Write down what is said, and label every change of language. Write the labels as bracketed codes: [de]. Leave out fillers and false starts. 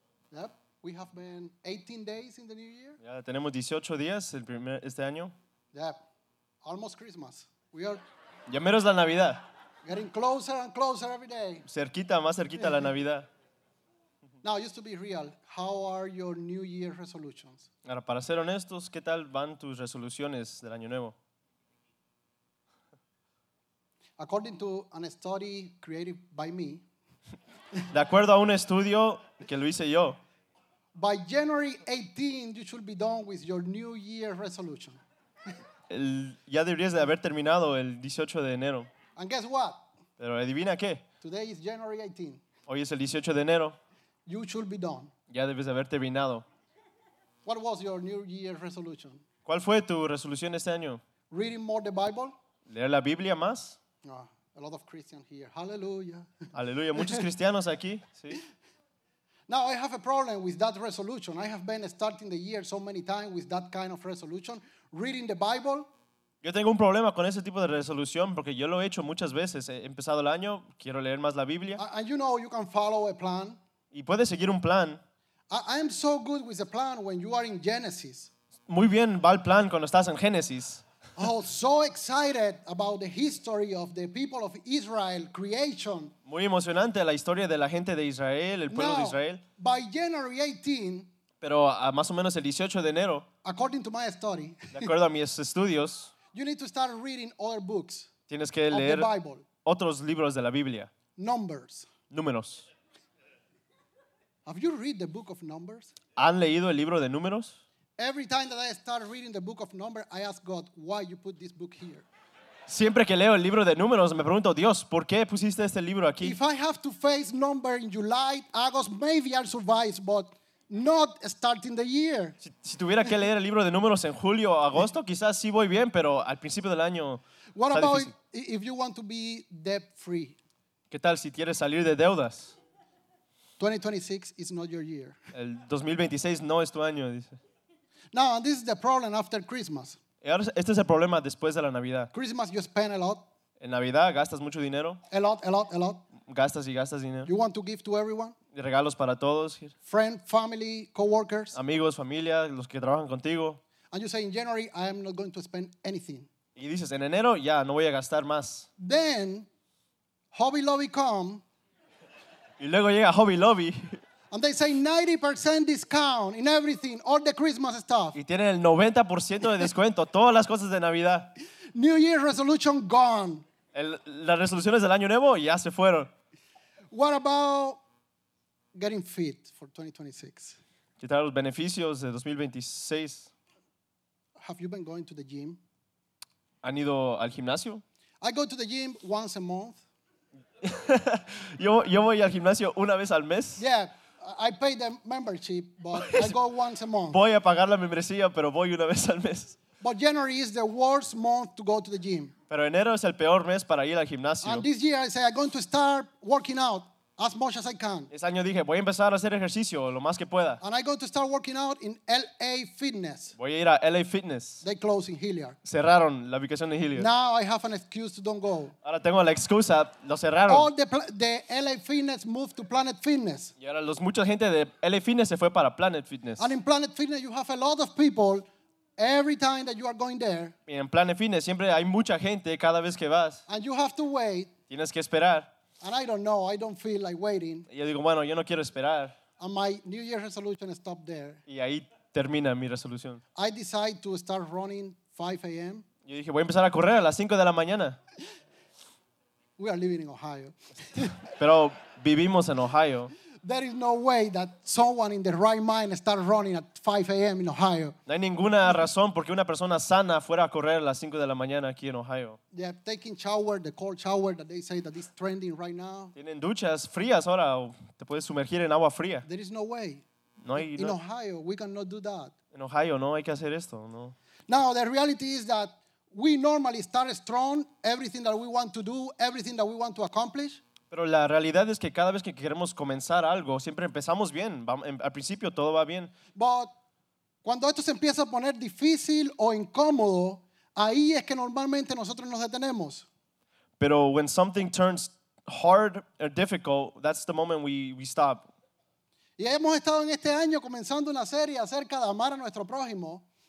[en] Yep, we have been 18 days in the new year. [es] Ya tenemos 18 días el primer este año. [en] Yep, almost Christmas. We are. [es] Ya menos la Navidad. [en] Getting closer and closer every day. [es] Cerquita, más cerquita la Navidad. [en] Now, just to be real, how are your New Year resolutions? [es] Ahora, para ser honestos, ¿qué tal van tus resoluciones del año nuevo? [en] According to an study created by me. [es] De acuerdo a un estudio que lo hice yo. [en] By January 18, you should be done with your New Year resolution. [es] Ya deberías de haber terminado el 18 de enero. [en] And guess what? [es] Pero adivina qué. [en] Today is January 18. [es] Hoy es el 18 de enero. [en] You should be done. [es] Ya debes de haber terminado. [en] What was your New Year resolution? [es] ¿Cuál fue tu resolución este año? [en] Reading more the Bible. [es] ¿Leer la Biblia más? [en] A lot of Christians here. Hallelujah. [es] Aleluya. Muchos cristianos aquí. Sí. [en] Now I have a problem with that resolution. I have been starting the year so many times with that kind of resolution. Reading the Bible. [es] Yo tengo un problema con ese tipo de resolución porque yo lo he hecho muchas veces. He empezado el año, quiero leer más la Biblia. [en] And you know you can follow a plan. [es] Y puedes seguir un plan. [en] I am so good with a plan when you are in Genesis. [es] Muy bien va el plan cuando estás en Génesis. [en] Oh, so excited about the history of the people of Israel, creation. [es] Muy emocionante la historia de la gente de Israel, el pueblo [en] now, [es] de Israel. [en] By January 18. [es] Pero a más o menos el 18 de enero, [en] according to my study, [es] de acuerdo a mis estudios, [en] you need to start reading other books. [es] Tienes que leer otros libros de la Biblia. [en] Numbers. [es] Números. [en] Have you read the book of Numbers? [es] ¿Han leído el libro de Números? [en] Every time that I start reading the book of Numbers, I ask God, why you put this book here? [es] Siempre que leo el libro de Números, me pregunto, Dios, ¿por qué pusiste este libro aquí? [en] If I have to face Numbers in July, August, maybe I'll survive, but not starting the year. [es] Si tuviera que leer el libro de Números en julio o agosto, quizás sí voy bien, pero al principio del año. [en] What about if you want to be debt free? [es] ¿Qué tal si quieres salir de deudas? [en] 2026 is not your year. [es] El 2026 no es tu año, dice. [en] Now, this is the problem after Christmas. [es] Este es el problema después de la Navidad. [en] Christmas you spend a lot. [es] En Navidad gastas mucho dinero. [en] A lot, a lot, a lot. [es] Gastas y gastas dinero. [en] You want to give to everyone? [es] Regalos para todos. [en] Friend, family, coworkers. [es] Amigos, familia, los que trabajan contigo. [en] And you say in January I am not going to spend anything. [es] Y dices en enero ya no voy a gastar más. [en] Then Hobby Lobby come. [es] Y luego llega Hobby Lobby. [en] And they say 90% discount in everything, all the Christmas stuff. [es] Y tienen el 90% de descuento todas las cosas de Navidad. [en] New Year resolution gone. [es] Las resoluciones del año nuevo ya se fueron. [en] What about getting fit for 2026? [es] ¿Qué tal los beneficios de 2026? [en] Have you been going to the gym? [es] ¿Han ido al gimnasio? [en] I go to the gym once a month. [es] Yo voy al gimnasio una vez al mes. [en] Yeah, I pay the membership, but I go once a month. [es] Voy a pagar la membresía, pero voy una vez al mes. [en] But January is the worst month to go to the gym. [es] Pero enero es el peor mes para ir al gimnasio. [en] And this year I say I'm going to start working out as much as I can. [es] Este año dije, voy a empezar a hacer ejercicio lo más que pueda. [en] And I'm going to start working out in LA Fitness. [es] Voy a ir a LA Fitness. [en] They closed in Hilliard. [es] Cerraron la ubicación de Hilliard. [en] Now I have an excuse to don't go. [es] Ahora tengo la excusa, lo cerraron. [en] All the LA Fitness moved to Planet Fitness. [es] Y ahora los mucha gente de LA Fitness se fue para Planet Fitness. [en] And in Planet Fitness you have a lot of people. Every time that you are going there. [es] Y en Planet Fitness siempre hay mucha gente cada vez que vas. [en] And you have to wait. [es] Tienes que esperar. [en] And I don't know. I don't feel like waiting. [es] Y yo digo, bueno, yo no quiero esperar. [en] And my New Year resolution stopped there. [es] Y ahí termina mi resolución. [en] I decide to start running 5 a.m. [es] Yo dije, voy a empezar a correr a las 5 de la mañana. [en] We are living in Ohio. [es] Pero vivimos en Ohio. [en] There is no way that someone in the right mind starts running at 5 a.m. in Ohio. [es] No hay ninguna razón porque una persona sana fuera a correr a las 5 de la mañana aquí en Ohio. [en] They are taking shower, the cold shower that they say that is trending right now. [es] Tienen duchas frías ahora, o te puedes sumergir en agua fría. [en] There is no way. [es] No hay, [en] in Ohio, we cannot do that. [es] En Ohio, no hay que hacer esto, no. [en] Now, the reality is that We normally start strong, everything that we want to do, everything that we want to accomplish. [es] Pero la realidad es que cada vez que queremos comenzar algo, siempre empezamos bien. Al principio todo va bien. But cuando esto se empieza a poner difícil o incómodo, ahí es que normalmente nosotros nos detenemos. [en] Pero when something turns hard or difficult, that's the moment we stop. [es] Y hemos estado en este año comenzando una serie acerca de amar a nuestro prójimo.